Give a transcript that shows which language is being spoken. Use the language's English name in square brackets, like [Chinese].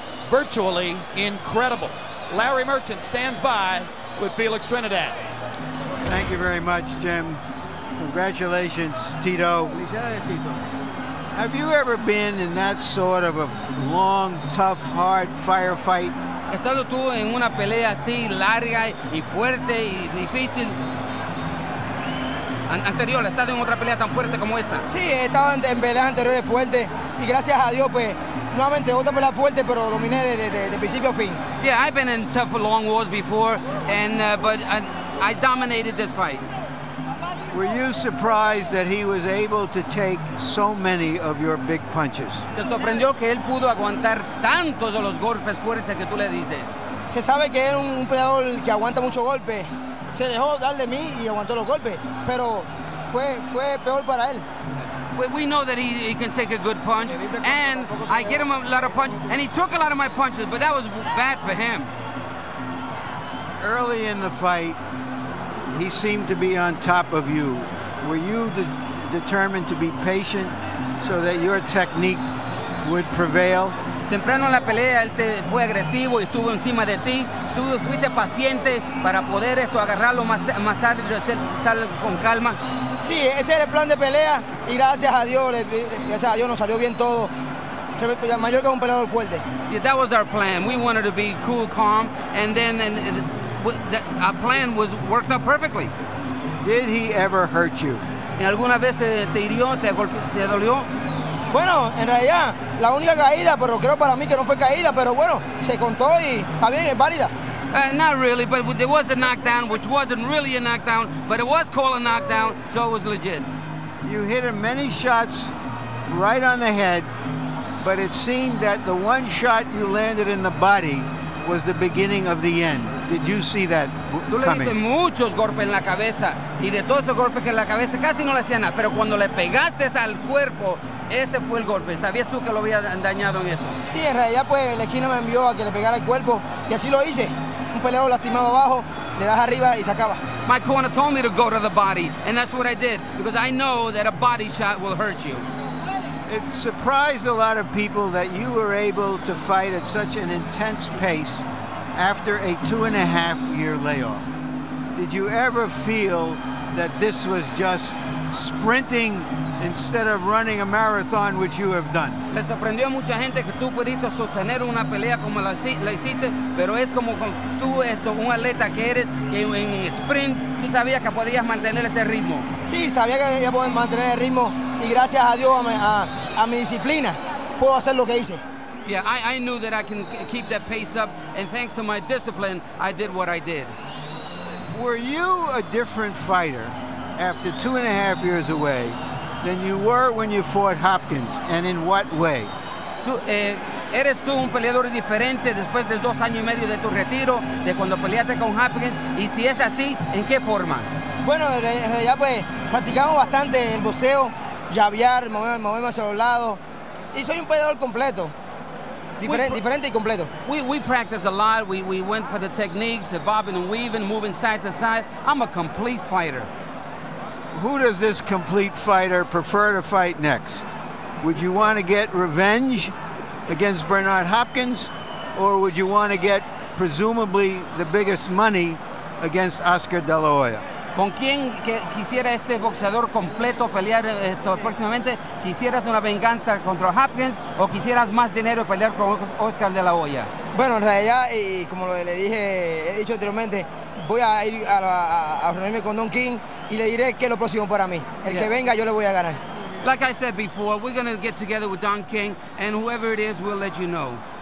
[English] Virtually incredible. Larry Merchant stands by with Felix Trinidad. Thank you very much, Jim. Congratulations, Tito. Have you ever been in that sort of a long, tough, hard firefight? [Spanish] Estando tú en una pelea así larga y fuerte y difícil. Anterior, ¿has estado en otra pelea tan fuerte como esta? Sí, he estado en peleas anteriores fuertes y gracias a Dios pues nuevamente otra pelea fuerte, pero dominé de principio a fin. [English] Yeah, I've been in tough long wars before and but I dominated this fight. Were you surprised that he was able to take so many of your big punches? [Spanish] ¿Te sorprendió que él pudo aguantar tantos de los golpes fuertes que tú le diste? Se sabe que era un peleador que aguanta mucho golpe. Se dejó dar de mí y aguantó los golpes, pero fue peor para él. [English] We know that he can take a good punch, and I get him a lot of punches, and he took a lot of my punches, but that was bad for him. Early in the fight, he seemed to be on top of you. Were you determined to be patient so that your technique would prevail? [Spanish] Temprano en la pelea, él fue agresivo y estuvo encima de ti. Tú fuiste paciente para poder esto agarrarlo más tarde, estar con calma. Sí, ese era el plan de pelea y gracias a Dios nos salió bien todo. Mayor que un peleador fuerte. [English] Yeah, that was our plan. We wanted to be cool, calm, and then our plan was worked out perfectly. Did he ever hurt you? [Spanish] ¿Alguna vez te hirió, te dolió? Bueno, en realidad, la única caída, pero creo para mí que no fue caída, pero bueno, se contó y está bien, es válida. [English] Not really, but there was a knockdown, which wasn't really a knockdown, but it was called a knockdown, so it was legit. You hit him many shots right on the head, but it seemed that the one shot you landed in the body was the beginning of the end. Did you see that coming? [Spanish] Tú le diste muchos golpes en la cabeza, y de todos esos golpes que en la cabeza casi no le hacía nada, pero cuando le pegaste al cuerpo, ese fue el golpe. ¿Sabías tú que lo había dañado en eso? Sí, en realidad, pues, la esquina me envió a que le pegara el cuerpo, y así lo hice. Un peleador lastimado abajo, le das arriba y se acaba. [English] My corner told me to go to the body, and that's what I did, because I know that a body shot will hurt you. It surprised a lot of people that you were able to fight at such an intense pace after a 2.5-year layoff. Did you ever feel that this was just sprinting instead of running a marathon, which you have done? [Spanish] Le sorprendió a mucha gente que tú pudiste sostener una pelea como la hiciste, pero es como tú, un atleta que eres, que en sprint, tú sabías que podías mantener ese ritmo. Sí, sabía que podía mantener el ritmo, y gracias a Dios, a mi disciplina, puedo hacer lo que hice. [English] Yeah, I knew that I can keep that pace up, and thanks to my discipline, I did what I did. Were you a different fighter after 2.5 years away than you were when you fought Hopkins, and in what way? [Spanish] Eres tú un peleador diferente después de 2 años y medio de tu retiro, de cuando peleaste con Hopkins, y si es así, ¿en qué forma? Bueno, en realidad, pues, practicamos bastante el boxeo, llavear, moverme hacia los lados, y soy un peleador completo. Diferente y completo. [English] We practiced a lot. We went for the techniques, the bobbing and weaving, moving side to side. I'm a complete fighter. Who does this complete fighter prefer to fight next? Would you want to get revenge against Bernard Hopkins, or would you want to get presumably the biggest money against Oscar De La Hoya? [Spanish] ¿Con quién quisiera este boxeador completo pelear próximamente? ¿Quisieras una venganza contra Hopkins o quisieras más dinero y pelear con Oscar De La Hoya? Bueno, en realidad, y como le dije, he dicho anteriormente, voy a ir a reunirme con Don King y le diré qué es lo próximo para mí. El que venga, yo le voy a ganar. [English] Like I said before, we're going to get together with Don King, and whoever it is, we'll let you know.